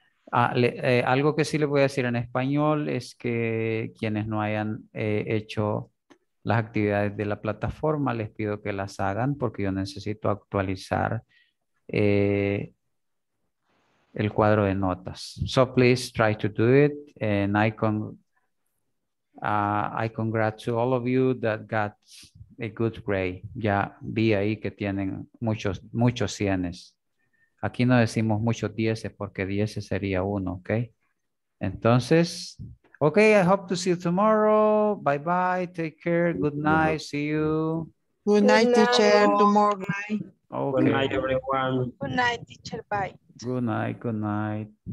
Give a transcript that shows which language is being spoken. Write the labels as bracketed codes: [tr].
[es] Algo que sí les voy a decir en español es que quienes no hayan hecho las actividades de la plataforma, les pido que las hagan porque yo necesito actualizar el cuadro de notas. [en] So please try to do it, and I congratulate all of you that got a good grade. [es] Ya vi ahí que tienen muchos cienes. Aquí no decimos muchos dieces porque dieces sería uno, ¿ok? Entonces, [en] ok, I hope to see you tomorrow. Bye bye, take care, good night, see you. Good night, teacher, tomorrow. Okay. Good night, everyone. Good night, teacher, bye. Good night.